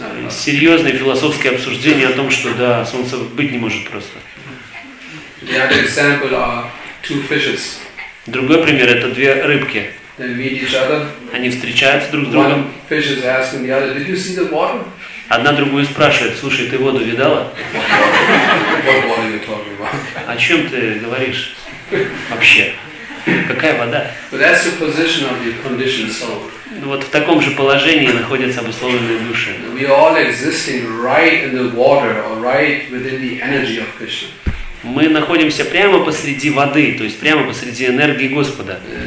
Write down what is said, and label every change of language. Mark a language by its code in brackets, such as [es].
[ru] Серьезные философские обсуждения о том, что да, солнце быть не может просто. [en] The other example are two fishes. [ru] Другой пример — это две рыбки. [en] They meet each other. [ru] Они встречаются друг с другом. [en] One fish is asking the other, "Did you see the water?" [ru] Одна другую спрашивает, слушай, ты воду видала? [en] What water are you talking about? [ru] О чем ты говоришь вообще? Какая вода? [en] But that's the position of the conditioned soul. [ru] Ну вот в таком же положении находятся обусловленные души. [en] We are all existing right in the water or right within the energy of Krishna. [ru] Мы находимся прямо посреди воды, то есть прямо посреди энергии Господа.